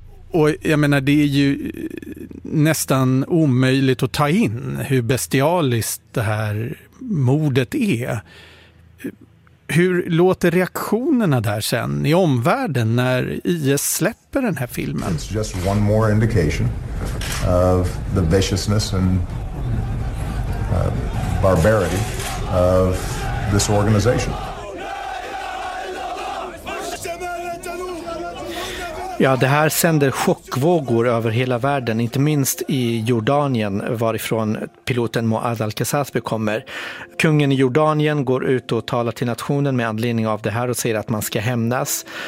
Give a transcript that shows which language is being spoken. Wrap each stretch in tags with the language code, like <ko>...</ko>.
<sv>Och jag menar, det är ju nästan omöjligt att ta in hur bestialiskt det här mordet är. Hur låter reaktionerna där sen i omvärlden när IS släpper den här filmen?</sv> <en>It's just one more indication of the viciousness and barbarity of this organization.</en> <sv>Ja, det här sänder chockvågor över hela världen, inte minst i Jordanien varifrån piloten Moad al-Kasasbeh kommer. Kungen i Jordanien går ut och talar till nationen med anledning av det här och säger att man ska hämnas.</sv>